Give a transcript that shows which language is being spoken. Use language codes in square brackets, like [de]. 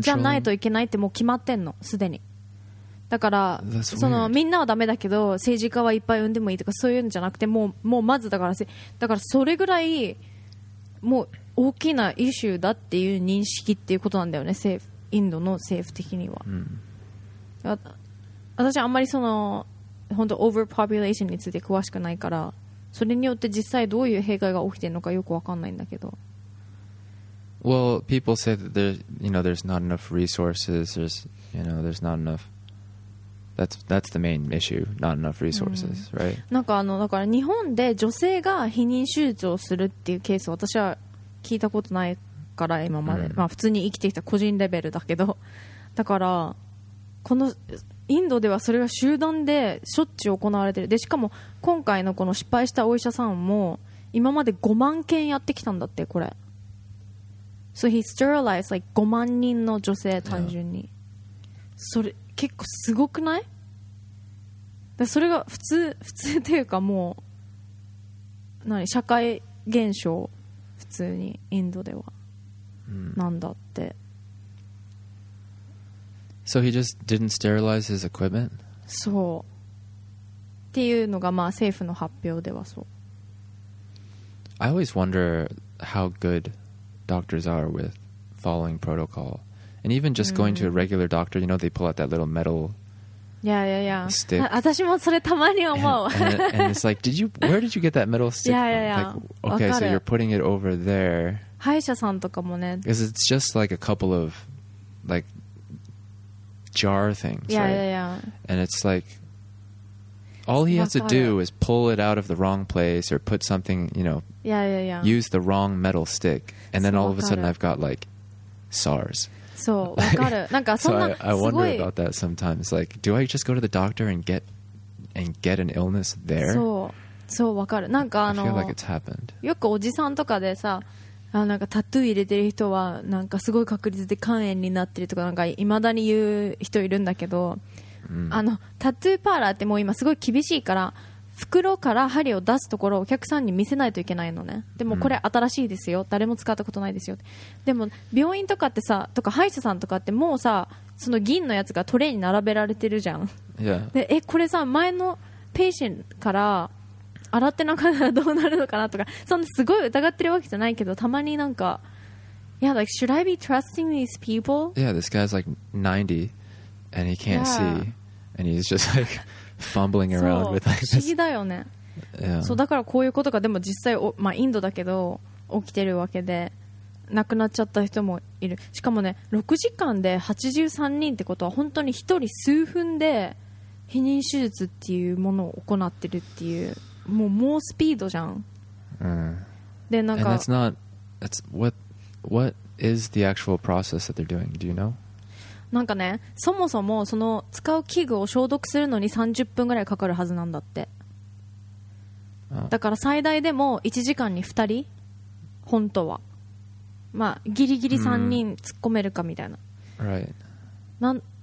[ja] じゃないといけないってもう決まってんの、すでに。だからそのみんなはダメだけど政治家はいっぱい産んでもいいとかそういうんじゃなくて、もうまずだからそれぐらいもう大きなイシューだっていう認識っていうことなんだよね、政府、インドの政府的には、うん、私あんまりその本当オーバーポピュレーションについて詳しくないから、それによって実際どういう弊害が起きてるのかよくわかんないんだけど。 [en] Well, people say that there, you know, there's not enough resources, there's, you know, there's not enoughThat's the main issue, not enough resources,、mm. right? [ja] なんかあのだから日本で女性が避妊手術をするっていうケースを私は聞いたことないから今まで、mm. まあ普通に生きてきた個人レベルだけど、だからこのインドではそれが集団でしょっちゅう行われてる。でしかも今回のこの失敗したお医者さんも今まで5万件やってきたんだって、これ。 [en] So he sterilized like [ja] 5万人の女性単純に、yeah. それ結構すごくない？でそれが普通、普通っていうかもう何、社会現象、普通にインドでは、 mm. なんだって。 [en] So he just didn't sterilize his equipment? [ja] そう。っていうのが、まあ、政府の発表ではそう。 [en] I always wonder how good doctors are with following protocol. And even just going to a regular doctor, you know, they pull out that little metal [ja] stick. 私もそれたまに思う。 [en] And it's like, where did you get that metal stick? Yeah, yeah, yeah. Like, okay, so you're putting it over there. [ja] 歯医者さんとかもね。 [en] Because it's just like a couple of, like,jar things, yeah, right? Yeah, yeah. And it's like all he has to do is pull it out of the wrong place or put something, you know, yeah, yeah, yeah. use the wrong metal stick, and then all of a sudden I've got like SARS. So, like, so I wonder about that sometimes. Like, do I just go to the doctor and get an illness there? So, so, I feel like it's happened. [ja] よくおじさんとかでさ、あ、なんかタトゥー入れてる人はなんかすごい確率で肝炎になってるとか、なんか未だに言う人いるんだけど、うん、あのタトゥーパーラーってもう今すごい厳しいから、袋から針を出すところをお客さんに見せないといけないのね。でもこれ新しいですよ、うん、誰も使ったことないですよ。でも病院とかってさ、とか歯医者さんとかってもうさ、その銀のやつがトレーに並べられてるじゃん、 [en] yeah. [ja] でえ、これさ、前のペーシェントから洗ってなかったらどうなるのかなとか、そんなすごい疑ってるわけじゃないけど、たまになんか、 [en] Yeah, like, should I be trusting these people? Yeah, this guy's like 90 and he can't、yeah. see and he's just like fumbling around with like this. [ja] 不思議だよね。 [en] Yeah. [ja] そうだから、こういうことがでも実際、まあ、インドだけど起きてるわけで、亡くなっちゃった人もいる。しかもね、6時間で83人ってことは、本当に1人数分で避妊手術っていうものを行ってるっていう、もう猛スピードじゃん。 [en] で、なんか、 And that's not, that's what, what is the actual process that they're doing? Do you know? [ja] なんかね、そもそもその使う器具を消毒するのに30分ぐらいかかるはずなんだって。だから最大でも1時間に2人、本当は、まあギリギリ3人突っ込めるかみたいな。 [en] Right.